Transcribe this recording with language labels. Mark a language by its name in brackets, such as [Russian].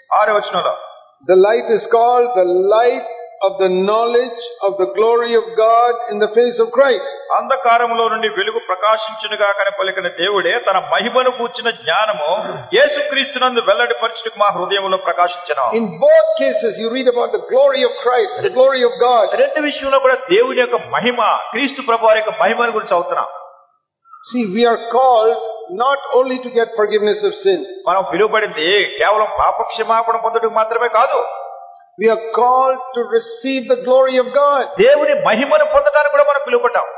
[Telugu] ఆరవ వచనంలో, [English] The light is called the light of the knowledge of the glory of God in the face of Christ. [Telugu] అంధకారములొ నుండి వెలుగు ప్రకాశించునుగా కనపలికిన దేవుడే తన మహిమను కూర్చిన జ్ఞానము యేసుక్రీస్తునందు వెల్లడి పరచుటకు మా హృదయములో ప్రకాశించను. [English] In both cases you read about the glory of Christ, the glory of God. [Telugu] రెండు విషయంలో కూడా దేవుని యొక్క మహిమ, క్రీస్తు ప్రభువు యొక్క మహిమను గురించి చదువుతున్నాం. [English] See, we are called not only to get forgiveness of sins. [Telugu] మనం పిలువబడింది కేవలం పాపక్షమాపణ పొందడానికి మాత్రమే కాదు. [English] We are called to receive the glory of God. [Telugu] దేవుని మహిమను పొందడానికి కూడా మనం పిలువబడ్డాం.